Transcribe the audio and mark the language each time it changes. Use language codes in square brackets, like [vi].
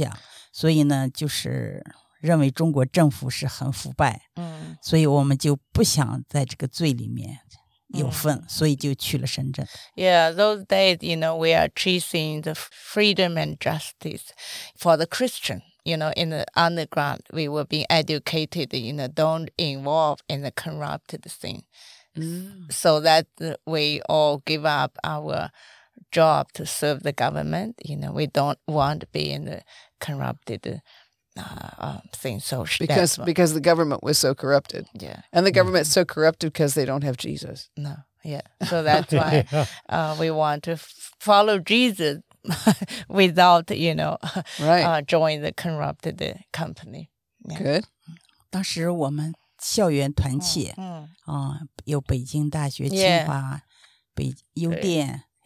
[zh] 那时候我们就刚接受了西方民主自由这种思想，所以呢，就是 认为中国政府是很腐败，所以我们就不想在这个罪里面有份，所以就去了深圳。Yeah, [en] those days, you know, we are chasing the freedom and justice for the Christian. You know, in the underground, we were being educated, you know, don't involve in the corrupted thing. So that we all give up our job to serve the government. You know, we don't want to be in the corrupted thing. So because the government was so corrupted. Yeah. And the government's so corrupted because they don't have Jesus. No. Yeah. So that's why we want to follow Jesus without, you know, join the corrupted company. Yeah. Good. [zh] 当时我们校园团契，有北京大学清华，北邮电。